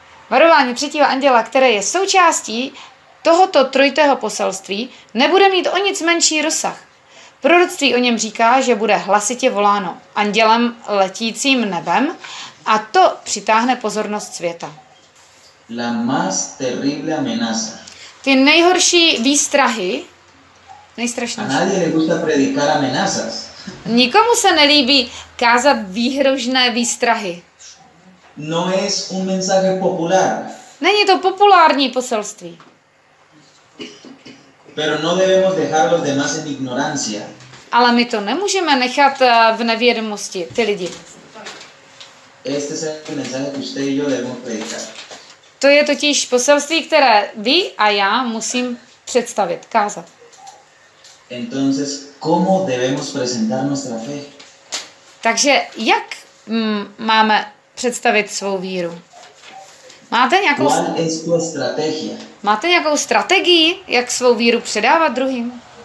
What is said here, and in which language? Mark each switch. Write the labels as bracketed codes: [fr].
[cs] Varování třetího anděla, které je součástí tohoto trojitého poselství, nebude mít o nic menší rozsah. Proroctví o něm říká, že bude hlasitě voláno andělem letícím nebem a to přitáhne pozornost světa. [es] La más terrible amenaza. [cs] Ty nejhorší výstrahy, nejstrašnější. [es] A nadie le gusta predicar amenazas. [cs] Nikomu se nelíbí kázat výhrožné výstrahy. [es] No es un mensaje popular. [cs] Není to populární poselství. [es] Pero no debemos dejar los demás en ignorancia. [cs] Ale my to nemůžeme nechat v nevědomosti, ty lidi. [es] Este es el mensaje que usted y yo debemos predicar. [cs] To je totiž poselství, které vy a já musím představit, kázat. [es] Entonces, ¿cómo debemos presentar nuestra fe? [cs] Takže jak máme představit svou víru? Máte nějakou strategii? Máte nějakou strategii, jak svou víru předávat druhým?